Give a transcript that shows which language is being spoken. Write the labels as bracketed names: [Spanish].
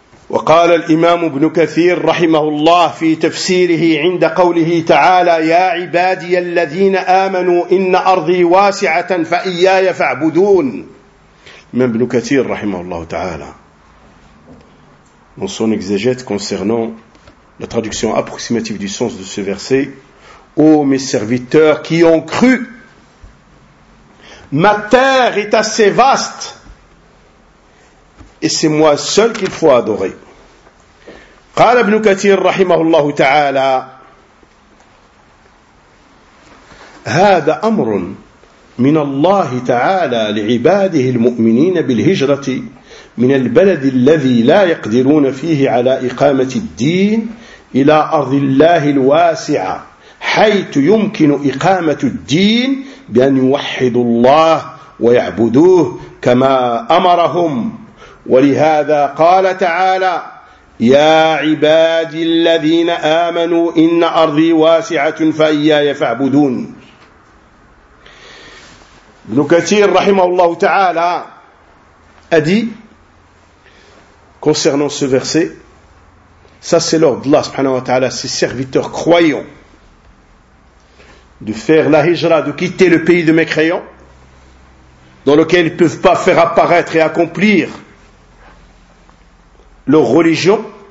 [Arabic] وقال الإمام ابن كثير رحمه الله في تفسيره عند قوله تعالى: يا عبادي الذين آمنوا إن أرضي واسعة فإياي فاعبدون. من ابن كثير رحمه الله تعالى [French] dans son exégète concernant la traduction approximative du sens de ce verset: ô mes serviteurs qui ont cru, ma terre est assez vaste et c'est moi seul qu'il faut adorer. [Arabic] قال ابن كثير رحمه الله تعالى: هذا أمر من الله تعالى لعباده المؤمنين بالهجرة من البلد الذي لا يقدرون فيه على إقامة الدين إلى أرض الله الواسعة حيث يمكن إقامة الدين بأن يوحدوا الله ويعبدوه كما أمرهم. ولهذا قال تعالى: يا عبادي الذين آمنوا إن أرضي واسعة فإياي فاعبدون. ابن كثير رحمه الله تعالى [French] a dit concernant ce verset, ça c'est l'ordre d'Allah subhanahu wa ta'ala, ses serviteurs croyants, de faire la hijra, de quitter le pays de mécréants, dans lequel ils ne peuvent pas faire apparaître et accomplir leur religion.